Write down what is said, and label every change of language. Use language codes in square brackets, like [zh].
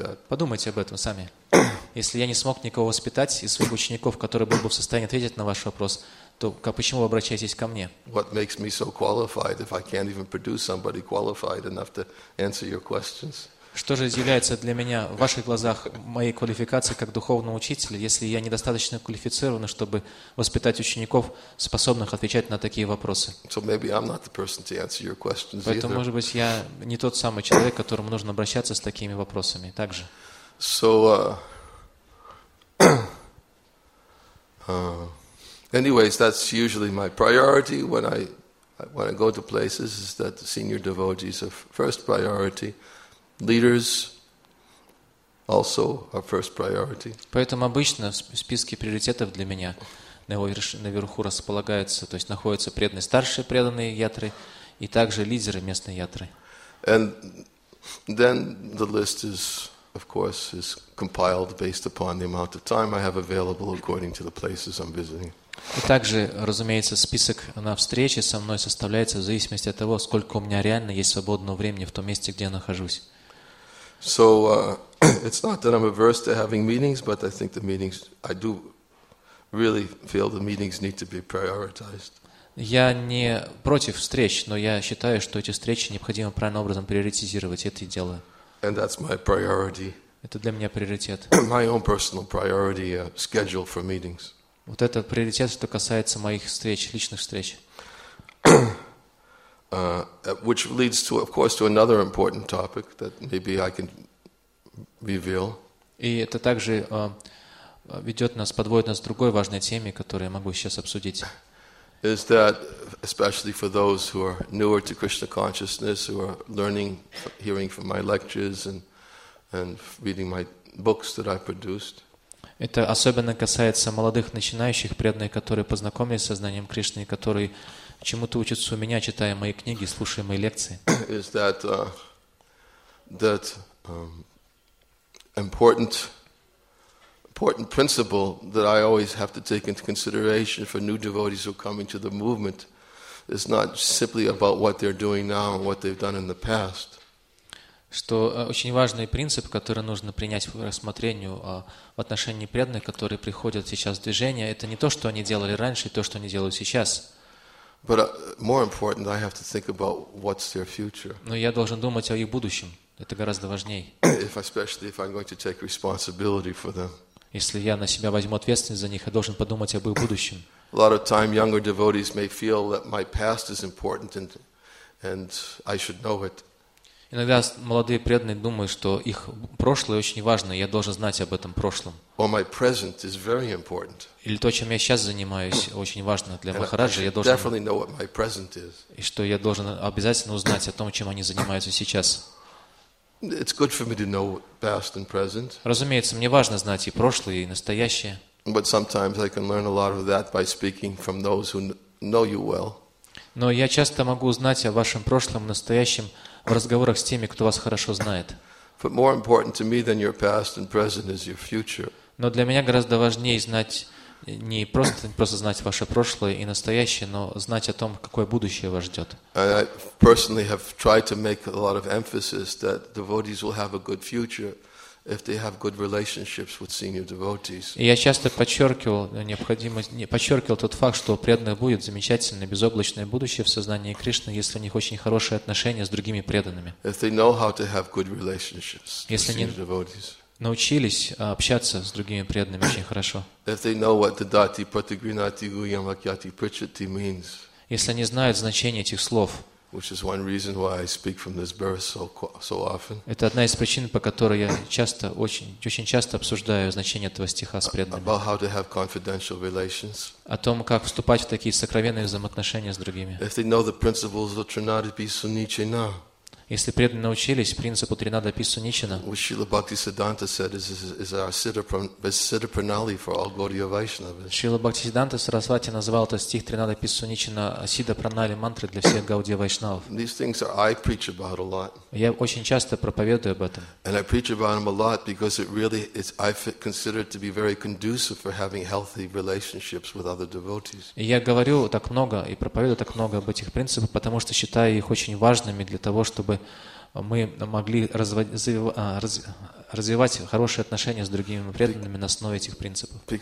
[ru] Подумайте об этом сами. Если я не смог никого воспитать из своих учеников, который был бы в состоянии ответить на ваш вопрос, то почему вы обращаетесь ко мне? [en] What makes me so qualified if I can't even produce somebody qualified enough to answer your questions? [ru] Что же является для меня в ваших глазах моей квалификацией как духовного учителя, если я недостаточно квалифицирован, чтобы воспитать учеников, способных отвечать на такие вопросы? [en] So maybe I'm not the person to answer your questions either. [ru] Поэтому, может быть, я не тот самый человек, к которому нужно обращаться с такими вопросами также. [en] So anyways, that's usually my priority when I go to places, is that the senior devotees are first priority. Leaders also are first priority. [ru] Поэтому обычно в списке приоритетов для меня наверху располагаются, то есть находятся преданные старшие преданные ятры и также лидеры местной ятры. [en] And then the list is, of course, is compiled based upon the amount of time I have available according to the places I'm visiting. [ru] И также, разумеется, список на встречи со мной составляется в зависимости от того, сколько у меня реально есть свободного времени в том месте, где я нахожусь. [en] So, it's not that I'm averse to having meetings, but I think the meetings, I do really feel the meetings need to be prioritized. [ru] Я не против встреч, но я считаю, что эти встречи необходимо правильным образом приоритизировать, это и дело. [en] And that's my priority. [ru] Это для меня приоритет. [en] My own personal priority, schedule for meetings. [ru] Вот это приоритет, что касается моих встреч, личных встреч. [en] Which leads to, of course, to another important topic that maybe I can reveal. [ru] И это также ведет нас, подводит нас к другой важной теме, которую я могу сейчас обсудить. [en] Is that especially for those who are newer to Krishna consciousness, who are learning, hearing from my lectures and reading my books that I produced. [ru] Это особенно касается молодых начинающих преданных, которые познакомились с сознанием Кришны, и которые чему-то учатся у меня, читая мои книги, слушая мои лекции. [en] Is that that important principle that I always have to take into consideration for new devotees who come into the movement is not simply about what they're doing now and what they've done in the past. [ru] Что очень важный принцип, который нужно принять в рассмотрение в отношении преданных, которые приходят сейчас в движение, это не то, что они делали раньше, и то, что они делают сейчас. [en] But more important, I have to think about what's their future. [ru] Но я должен думать о их будущем. Это гораздо важнее. [en] Especially if I'm going to take responsibility for them. [ru] Если я на себя возьму ответственность за них, я должен подумать об их будущем. [en] A lot of time younger devotees may feel that my past is important and I should know it. [ru] Иногда молодые преданные думают, что их прошлое очень важно, и я должен знать об этом прошлом. [en] Or my present is very important. [ru] Или то, чем я сейчас занимаюсь, очень важно для Махараджи. [en] I should definitely know what my present is. [ru] И что я должен обязательно узнать о том, чем они занимаются сейчас. [en] It's good for me to know past and present. [ru] Разумеется, мне важно знать и прошлое, и настоящее. [en] But sometimes I can learn a lot of that by speaking from those who know you well. [ru] Но я часто могу узнать о вашем прошлом, настоящем в разговорах с теми, кто вас хорошо знает. [en] But more important to me than your past and present is your future. [ru] Но для меня гораздо важнее знать не просто знать ваше прошлое и настоящее, но знать о том, какое будущее вас ждет. [en] And I personally have tried to make a lot of emphasis that devotees will have a good future if they have good relationships with senior devotees. [ru] И я часто подчеркивал необходимость, подчеркивал тот факт, что у преданных будет замечательное, безоблачное будущее в сознании Кришны, если у них очень хорошие отношения с другими преданными. [en] If they know how to have good relationships with senior devotees. [ru] Научились общаться с другими преданными очень хорошо. [en] If they know what the [sa] dati pratigrinati guyam akyati prichati [en] means. [ru] Если они знают значение этих слов. [en] Which is one reason why I speak from this verse so often. [ru] Это одна из причин, по которой я часто, очень часто обсуждаю значение этого стиха с преданными. [en] About how to have confidential relations. [ru] О том, как вступать в такие сокровенные взаимоотношения с другими. [en] If they know the principles of Trinadipi Sunichina. [ru] Если преданные научились принципу Тринадапи Сунничина, [en] which Srila Bhaktisiddhanta said is our Siddha Pranali for all Gaudiya Vaishnavas. [ru] Srila Bhaktisiddhanta Sarasvati назвал этот стих Тринадапи Сунничина Сидда Пранали мантры для всех Гаудия Вайшнавов. [en] These things I preach about a lot. [ru] Я очень часто проповедую об этом. [en] And I preach about them a lot because it really is I consider it to be very conducive for having healthy relationships with other devotees. [ru] Я говорю так много и проповедую так много об этих принципах, потому что считаю их очень важными для того, чтобы мы могли развивать хорошие отношения с другими преданными на основе этих принципов.